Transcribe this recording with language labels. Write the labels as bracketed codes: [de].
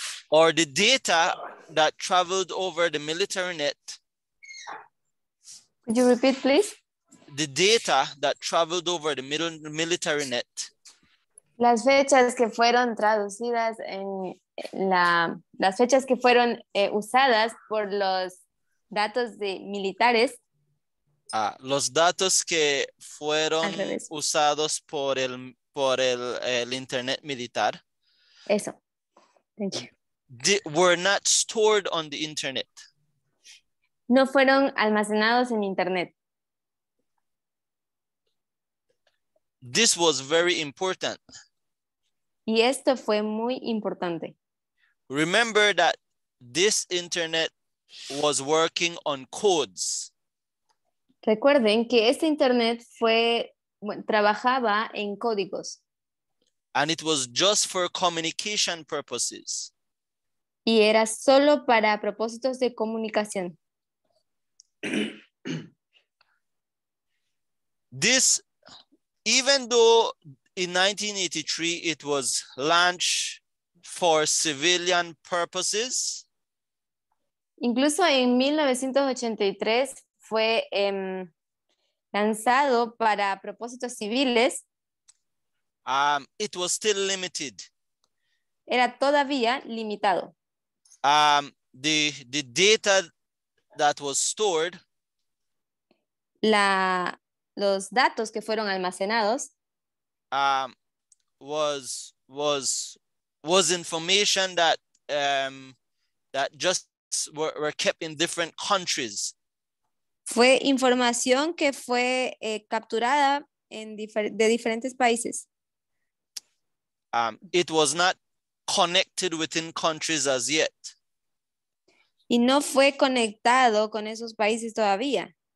[en] Or the data that traveled over the military net. Could you repeat, please? the data that traveled over the middle military net. [es] Las fechas que fueron traducidas en la, las fechas que fueron usadas por los datos de militares. Ah, los datos que fueron usados por el el internet militar. [en] Eso. Thank you. Were not stored on the internet. [es] No fueron almacenados en internet. [en] This was very important. [es] Y esto fue muy importante. [en] Remember that this internet was working on codes. [es] Recuerden que este internet fue, bueno, trabajaba en códigos. [en] And it was just for communication purposes. [es] Y era solo para propósitos de comunicación. [en] This, even though in 1983 it was launched for civilian purposes. [es] Incluso en 1983 fue lanzado para propósitos civiles. [en] It was still limited. [es] Era todavía limitado. [en] The data that was stored, [es] los datos que fueron almacenados, [en] was information that that just were kept in different countries. [es] Fue información que fue capturada en de diferentes países. [en] It was not connected within countries as yet. [es] Y no fue conectado con esos países todavía.